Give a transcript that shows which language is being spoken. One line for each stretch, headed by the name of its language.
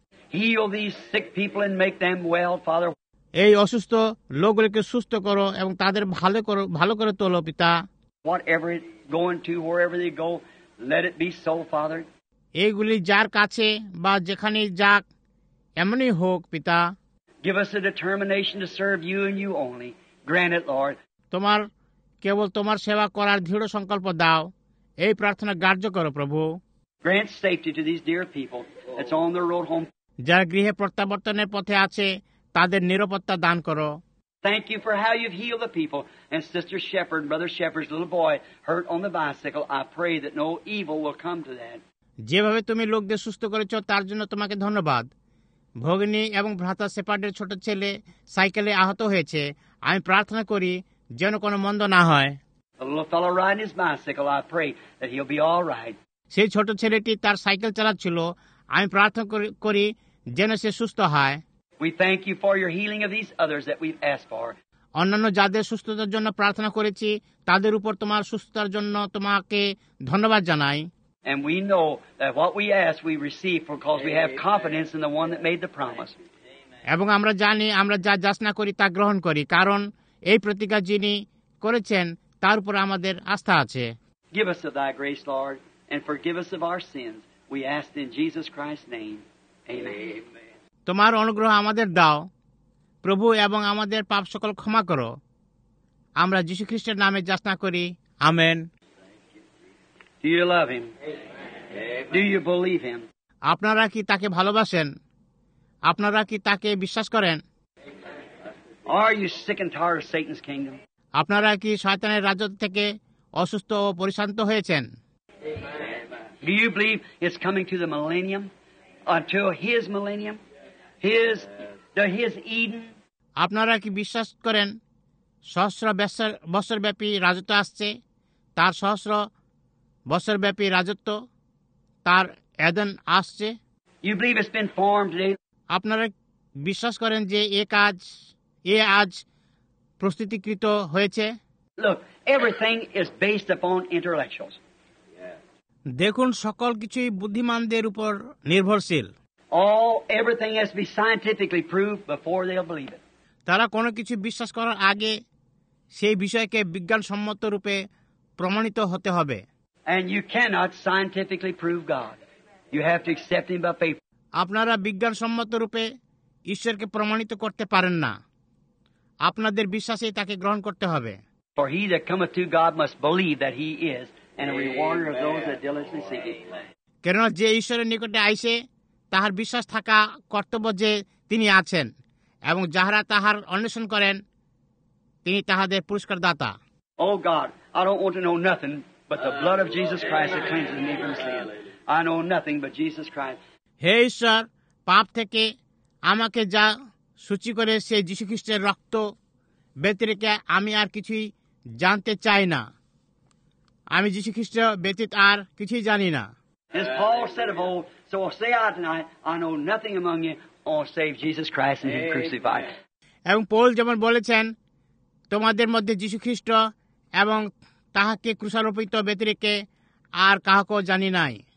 English: Heal these sick people and make them well, Father.
Bangla: এই অসুস্থ লোকগুলোকে সুস্থ করো এবং তাদের ভালো করে তোলো পিতা
English: Whatever it going to, wherever they go, let it be so, Father.
Bangla: এইগুলি যার কাছে বা যেখানে যাক এমনই হোক পিতা
English: Give us a determination to serve you and you only. Grant it, Lord.
Bangla: তোমার কেবল তোমার সেবা করার দৃঢ় সংকল্প দাও এই প্রার্থনা গ্রাহ্য করো প্রভু
English: Grant safety to these dear people that's on their road home.
Bangla: যারা গৃহে প্রত্যাবর্তনের পথে আছে তাদের নিরাপত্তা দান করো
English: Thank you for how you've healed the people and Sister Shepherd, Brother Shepherd's little boy hurt on the bicycle. I pray that no evil will come to that.
Bangla: যেভাবে তুমি লোকদের সুস্থ করেছো তার জন্য তোমাকে ধন্যবাদ ভগ্নী এবং ভ্রাতা শেপার্ডের ছোট ছেলে সাইকেলে আহত হয়েছে আমি প্রার্থনা করি যেন কোনো মন্দ না হয় সেই ছোট ছেলেটি তার সাইকেল চালাচ্ছিল আমি প্রার্থনা করি যেন সে সুস্থ হয়
English: We thank you for your healing of these others that we've asked for.
Bangla: অন্যান্য যাদের সুস্থতার জন্য প্রার্থনা করেছি তাদের উপর তোমার সুস্থতার জন্য তোমাকে ধন্যবাদ জানাই।
English: And we know that what we ask we receive because we have confidence in the one that made the promise.
Bangla: এবং আমরা জানি আমরা যা যাচনা করি তা গ্রহণ করি কারণ এই প্রতিজ্ঞা যিনি করেছেন তার উপর আমাদের আস্থা আছে।
English: Give us of thy grace, Lord, and forgive us of our sins. We ask in Jesus Christ's name. Amen.
Bangla: তোমার অনুগ্রহ আমাদের দাও প্রভু এবং আমাদের পাপ সকল ক্ষমা করো। আমরা যীশু খ্রিস্টের নামে যাচনা করি amen.
English: Do you love him? Amen. Do you believe him?
Bangla: আপনারা কি তাকে ভালোবাসেন? আপনারা কি তাকে বিশ্বাস করেন?
English: Are you sick and tired of Satan's kingdom?
Bangla: আপনারা কি শয়তানের রাজ্য থেকে অসুস্থ ও পরিশ্রান্ত হয়েছেন?
English: Do you believe it's coming to the millennium? Until his millennium? His Eden?
Bangla: আপনারা কি বিশ্বাস করেন সহস্র বছর ব্যাপী রাজত্ব আসছে তার সহস্র বছর ব্যাপী রাজত্ব তার এডেন আসছে?
English: You believe it's been formed today?
Bangla: আপনারা বিশ্বাস করেন যে এ আজ প্রস্তুতিকৃত হয়েছে?
English: Look, everything is based upon intellectuals.
Bangla: দেখুন সকল কিছুই বুদ্ধিমানদের উপর নির্ভরশীল।
English: All everything has to be scientifically proved before they'll believe it.
Bangla: তারা কোনো কিছু বিশ্বাস করার আগে সেই বিষয়কে বিজ্ঞানসম্মত রূপে প্রমাণিত হতে হবে।
English: And you cannot scientifically prove God. You have to accept him by faith.
Bangla: আপনারা বিজ্ঞানসম্মত রূপে ঈশ্বরকে প্রমাণিত করতে পারেন না। আপনাদের বিশ্বাসে তাকে গ্রহণ করতে হবে।
English: For he that cometh to God must believe that he is and a rewarder of those that diligently seek him.
Bangla: কারণ যে ঈশ্বরের নিকটে আইসে তাহার বিশ্বাস থাকা কর্তব্য যে তিনি আছেন এবং যাহারা তাহার অন্বেষণ করেন তিনি তাহাদের পুরস্কার দাতা।
English: Oh God, I don't want to know nothing but the blood of Jesus Christ that cleanses me from sin. I know nothing but Jesus Christ.
Bangla: হে ঈশ্বর, পাপ থেকে আমাকে যা সূচি করে সে যীশু খ্রিস্টের রক্ত ব্যতিরেকে আমি আর কিছুই জানতে চাই না। আমি যীশু খ্রিস্ট ব্যতীত আর কিছুই জানি না।
English: As Paul said of old, so say I tonight, I know nothing among you or save Jesus Christ and him crucified.
Bangla: এবং পল যেমন বলেছেন তোমাদের মধ্যে যীশু খ্রিস্ট এবং তাহাকে ক্রুশারোপিত ব্যতিরেকে আর কাহাকেও জানি নাই।